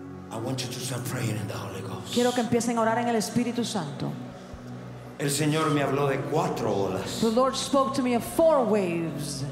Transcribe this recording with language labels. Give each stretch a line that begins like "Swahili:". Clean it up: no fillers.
English: I want you to start praying in the Holy Ghost.
Spanish: Quiero que empiecen a orar en el Espíritu Santo. El Señor me habló de cuatro olas.
English: The Lord spoke to me of four waves.